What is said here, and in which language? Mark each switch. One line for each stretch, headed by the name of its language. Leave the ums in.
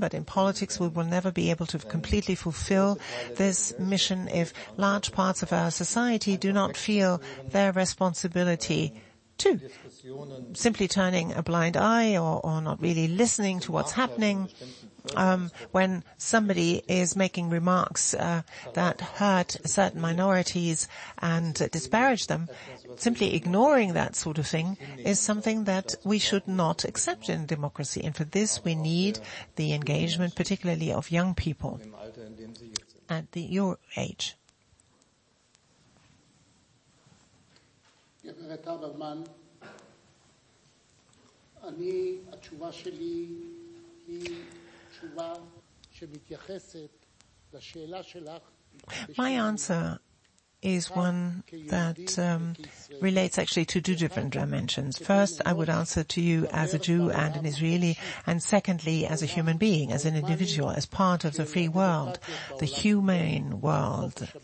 English: But in politics, we will never be able to completely fulfill this mission if large parts of our society do not feel their responsibility to simply turning a blind eye or, or not really listening to what's happening um, when somebody is making remarks uh, that hurt certain minorities and uh, disparage them, simply ignoring that sort of thing is something that we should not accept in democracy. And for this, we need the engagement, particularly of young people at the, your age.
Hebrew: גברת הברמן, אני, התשובה שלי היא תשובה שמתייחסת לשאלה שלך.
English: My answer is one that um, relates actually to two different dimensions. First, I would answer to you as a Jew and an Israeli, and secondly, as a human being, as an individual, as part of the free world, the humane world.